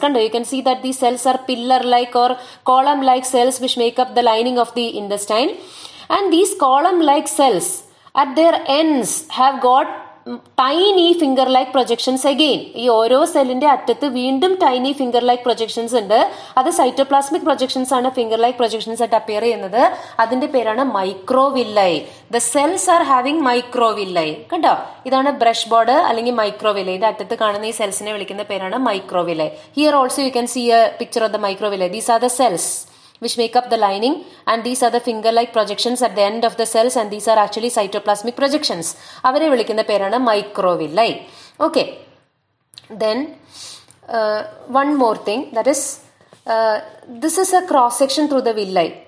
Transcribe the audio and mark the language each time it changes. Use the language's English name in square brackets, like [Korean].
[English] Kanda, you can see that these cells are pillar like or column like cells which make up the lining of the intestine. And these column-like cells at their ends have got tiny finger-like projections again. [Malayalam] ഈ ഓരോ സെല്ലിന്റെ അറ്റത്ത് വീണ്ടും tiny finger like projections ഉണ്ട്. അത് cytoplasmic projections ആണ് finger like projections ആയിട്ട് appear ചെയ്യുന്നത്. അതിന്റെ പേരാണ് മൈക്രോവില്ലൈ. [English] The cells are having microvilli. [Malayalam] കണ്ടോ, ഇതാണ് ബ്രഷ് ബോർഡ് അല്ലെങ്കിൽ മൈക്രോവില്ലൈ. ഇതിന്റെ അറ്റത്ത് കാണുന്ന ഈ സെൽസിനെ വിളിക്കുന്ന പേരാണ് മൈക്രോവില്ലൈ. [English] Here also you can see a picture of the microvilli. These are the cells which make up the lining, and these are the finger-like projections at the end of the cells, and these are actually cytoplasmic projections. [Malayalam] Avare vilikkunna perana microvilli. [English] Okay, then one more thing, that is this is a cross section through the villi.